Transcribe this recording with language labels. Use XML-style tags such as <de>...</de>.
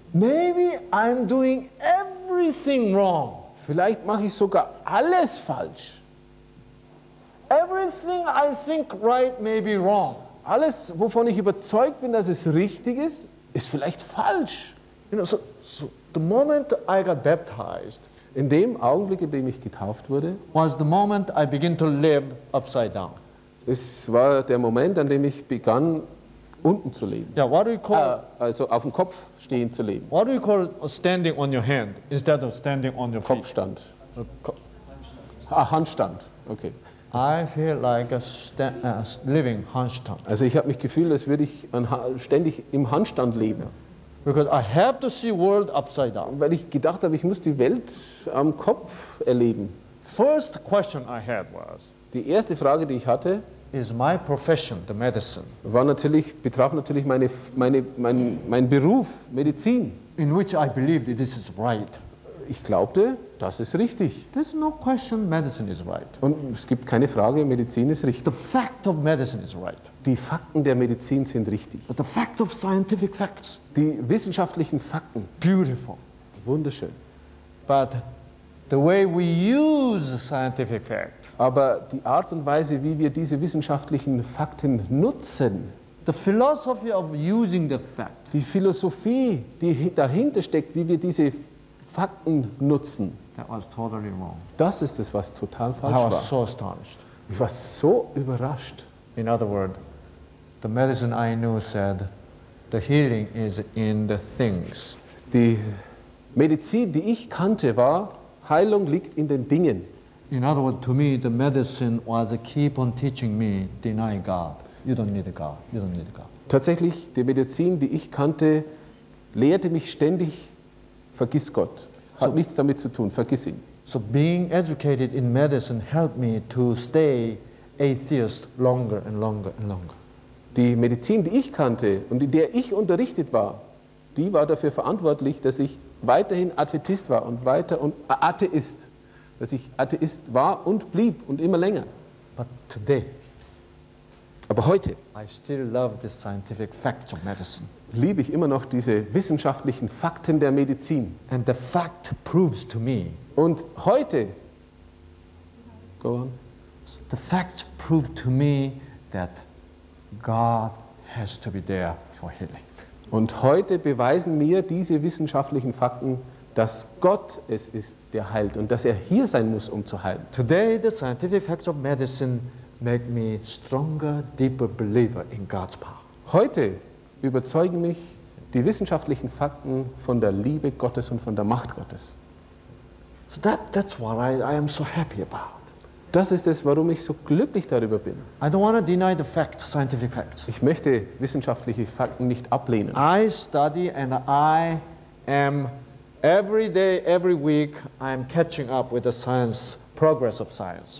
<en>Maybe I'm doing everything wrong.</en> <de>Vielleicht mache ich sogar alles falsch.</de> <en>Everything I think right may be wrong.</en> <de>Alles, wovon ich überzeugt bin, dass es richtig ist, ist vielleicht falsch.</de> <en>You know, so the moment I got baptized,</en> <de>in dem Augenblick, in dem ich getauft wurde,</de> <en>was the moment I begin to live upside down.</en> <de>Es war der Moment, an dem ich begann, unten zu leben.</de> <en>Yeah, what do you call,</en> <de>also auf dem Kopf stehen zu leben.</de> <en>What do you call standing on your hand instead of standing on your</en> <de>Kopfstand.</de> <en>Feet?</en> <de>Kopfstand. Handstand. Okay.</de> <en>I feel like a living handstand.</en> <de>Also ich habe mich gefühlt, als würde ich ständig im Handstand leben.</de> <en>Because I have to see world upside down.</en> <de>Weil ich gedacht habe, ich muss die Welt am Kopf erleben.</de> <en>First question I had was,</en> <de>die erste Frage, die ich hatte,</de> <en>is my profession, the medicine,</en> <de>war natürlich, betraf natürlich mein Beruf, Medizin.</de> <en>In which I believed this is right.</en> <de>Ich glaubte, das ist richtig.</de> <en>There's no question medicine is right.</en> <de>Und es gibt keine Frage, Medizin ist richtig.</de> <en>The fact of medicine is right.</en> <de>Die Fakten der Medizin sind richtig.</de> <en>But the fact of scientific facts.</en> <de>Die wissenschaftlichen Fakten.</de> <en>Beautiful.</en> <de>Wunderschön.</de> <en>But the way we use scientific fact.</en> <de>Aber die Art und Weise, wie wir diese wissenschaftlichen Fakten nutzen.</de> <en>The philosophy of using the fact.</en> <de>Die Philosophie, die dahinter steckt, wie wir diese Fakten nutzen.</de> <en>That was totally wrong.</en> <de>Das ist es, was total falsch war.</de> <en>I was</en> <de>war.</de> <en>So astonished.</en> <de>Ich war so überrascht.</de> <en>In other words, the medicine I knew said, the healing is in the things.</en> <de>Die Medizin, die ich kannte, war, Heilung liegt in den Dingen.</de> <en>In other words, to me, the medicine was keep on teaching me, deny God. You don't need God. You don't need God.</en> <de>Tatsächlich, die Medizin, die ich kannte, lehrte mich ständig, vergiss Gott. Hat nichts damit zu tun. Vergiss ihn.</de> <en>So being educated in medicine helped me to stay atheist longer and longer and longer.</en> <de>Die Medizin, die ich kannte und in der ich unterrichtet war, die war dafür verantwortlich, dass ich weiterhin Atheist war und weiter und Atheist. Dass ich Atheist war und blieb und immer länger.</de> <en>But today,</en> <de>aber heute,</de> <en>I still love the scientific facts of medicine.</en> <de>Liebe ich immer noch diese wissenschaftlichen Fakten der Medizin.</de> <en>And the fact proves to me.</en> <de>Und heute,</de> <en>go on. The facts prove to me that God has to be there for healing.</en> <de>Und heute beweisen mir diese wissenschaftlichen Fakten, dass Gott es ist, der heilt und dass er hier sein muss, um zu heilen.</de> <en>Today the scientific facts of medicine make me stronger, deeper believer in God's power.</en> <de>Heute überzeugen mich die wissenschaftlichen Fakten von der Liebe Gottes und von der Macht Gottes.</de> <en>So that's what I am so happy about.</en> <de>Das ist es, warum ich so glücklich darüber bin.</de> <en>I don't want to deny the facts, scientific facts.</en> <de>Ich möchte wissenschaftliche Fakten nicht ablehnen.</de> <en>I study and I am every day, every week, I am catching up with the science, progress of science.</en>